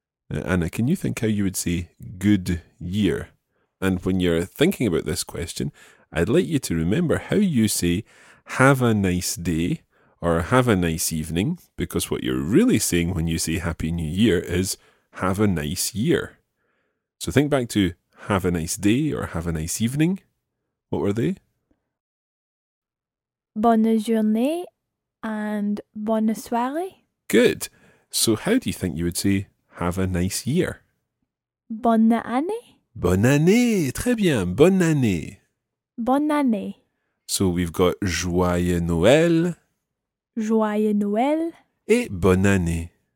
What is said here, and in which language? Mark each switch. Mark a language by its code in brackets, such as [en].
[en] Anna, can you think how you would say good year? And when you're thinking about this question, I'd like you to remember how you say have a nice day or have a nice evening, because what you're really saying when you say Happy New Year is have a nice year. So think back to have a nice day or have a nice evening. What were they? [fr] Bonne journée and bonne soirée. [en] Good. So how do you think you would say have a nice year? [fr] Bonne année. Bonne année. Très bien. Bonne année. Bonne année. [en] So we've got [fr] joyeux Noël. Joyeux Noël. Et bonne année.